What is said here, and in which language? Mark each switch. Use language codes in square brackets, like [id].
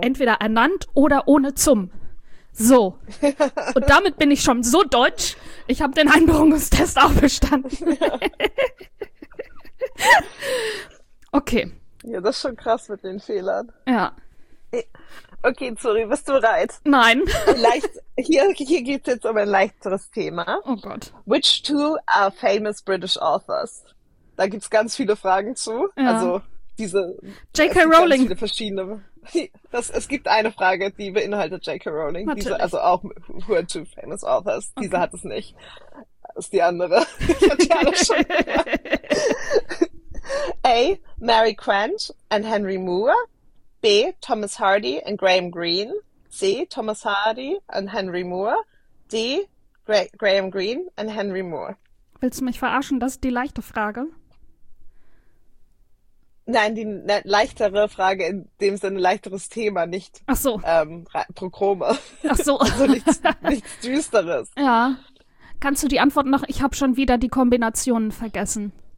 [de] Entweder ernannt oder ohne zum. So. Und damit bin ich schon so deutsch, ich habe den Einbürgerungstest auch bestanden. Okay. Ja, das ist schon krass mit den Fehlern. Ja. Okay, sorry, bist du bereit? Nein. Hier geht es jetzt um ein leichteres Thema. Oh Gott. [en] Which two are famous British authors? [de] Da gibt es ganz viele Fragen zu. Ja. Also diese... J.K. Rowling. Viele verschiedene. Es gibt eine Frage, die beinhaltet J.K. Rowling. Natürlich. Diese, also auch [en] who are two famous authors. [de] Okay. Diese hat es nicht. Das ist die andere. Ich hatte alles schon gemacht. A. [en] Mary Quant and Henry Moore. B. Thomas Hardy and Graham Greene. C. Thomas Hardy and Henry Moore. D. Graham Greene and Henry Moore. [de] Willst du mich verarschen? Das ist die leichte Frage. Nein, die leichtere Frage in dem Sinne, leichteres Thema, nicht Ach so. Prochrome. Ach so. Also nichts Düsteres. Ja. Kannst du die Antwort noch? Ich habe schon wieder die Kombinationen vergessen.